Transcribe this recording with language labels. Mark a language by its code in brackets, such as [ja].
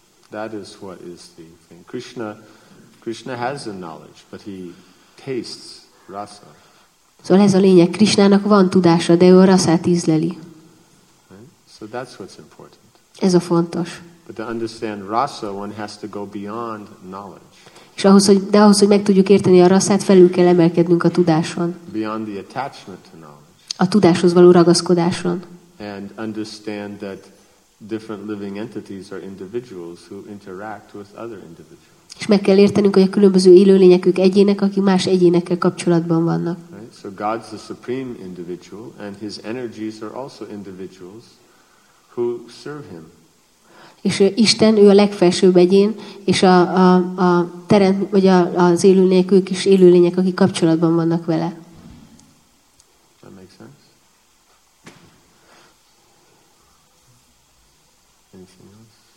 [en] That is what is the thing. Krishna has a knowledge, but he tastes rasa. [hu] Szóval ez a lényeg. Krishnának van tudása, de ő a rasát ízleli. [en] So that's what's important. [hu] Ez a fontos. [en] But to understand rasa, one has to go beyond knowledge. [hu] És ahhoz, hogy meg tudjuk érteni a rasát, felül kell emelkednünk a tudáson. [en] Beyond the attachment to knowledge. [hu] A tudáshoz való ragaszkodáson. [en] And understand that different living entities are individuals who interact with other individuals. [hu] És meg kell értenünk, hogy a különböző élőlények ők egyének, akik más egyénekkel kapcsolatban vannak. [en] Right? So God's the supreme individual, and his energies are also individuals who serve him. [hu] És Isten, ő a legfelsőbb egyén, és a teremt, vagy az élőlények, ők is élőlények, akik kapcsolatban vannak vele. [en] That makes sense? Anything else?